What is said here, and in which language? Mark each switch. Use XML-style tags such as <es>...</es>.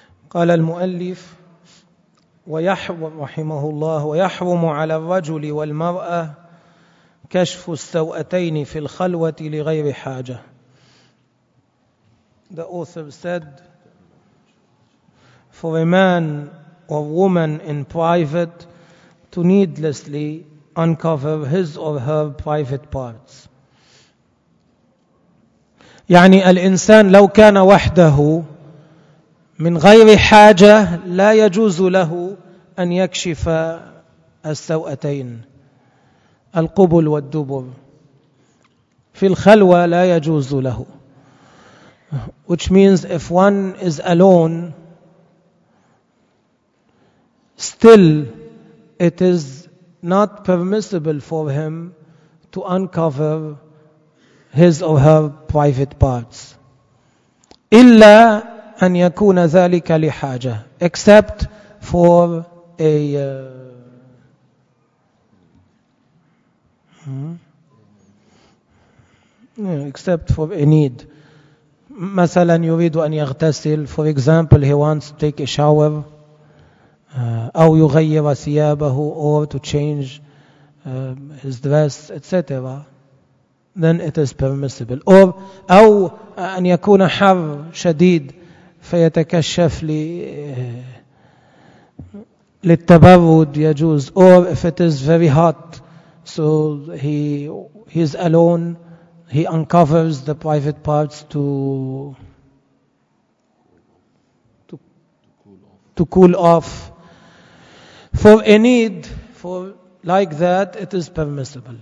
<ar>قال المؤلف ويحرم رحمه الله ويحرم على الرجل والمرأة كشف السوأتين في الخلوة لغير حاجة</ar> <en>The author said, for a man or woman in private to needlessly uncover his or her private parts.</en> <ar>يعني الإنسان لو كان وحده من غير حاجة لا يجوز له أن يكشف السوأتين القبل والدبر. في الخلوة لا يجوز له.</ar> <en>Which means if one is alone, still it is not permissible for him to uncover his or her private parts.</en> <ar>إلا أن يكون ذلك لحاجة.</ar> <en>Except for a except for a need.</en> <ar>مثلا يريد أن يغتسل.</ar> <en>For example, he wants to take a shower.</en> <ar>أو يغير ثيابه.</ar> <en>Or to change his dress, etc. Then it is permissible. Or</en> <ar>أو أن يكون حر شديد فيتكشف لي للتبرد يجوز.</ar> <en>Or if it is very hot, so he is alone, he uncovers the private parts to cool off. For a need, for like that, it is permissible.</en>